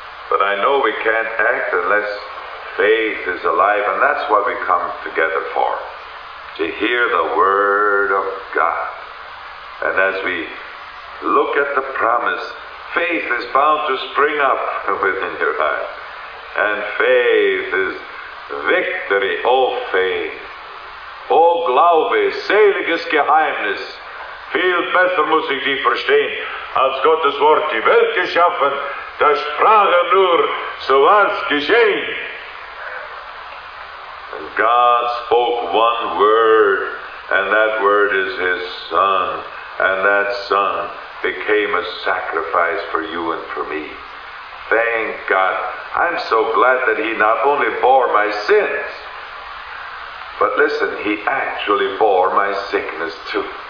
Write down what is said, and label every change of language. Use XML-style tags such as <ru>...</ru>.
<en>But I know we can't act unless faith is alive, and that's what we come together for, to hear the word of God. And as we look at the promise, faith is bound to spring up within your heart. And faith is victory, O faith.</en> <de>O Glaube, seliges Geheimnis, viel besser muss ich dich verstehen, als Gottes Wort die Welt geschaffen, das sprach nur, so war's geschehen.</de> <en>And God spoke one word, and that word is his Son, and that Son became a sacrifice for you and for me. Thank God. I'm so glad that he not only bore my sins, but listen, he actually bore my sickness too.</en>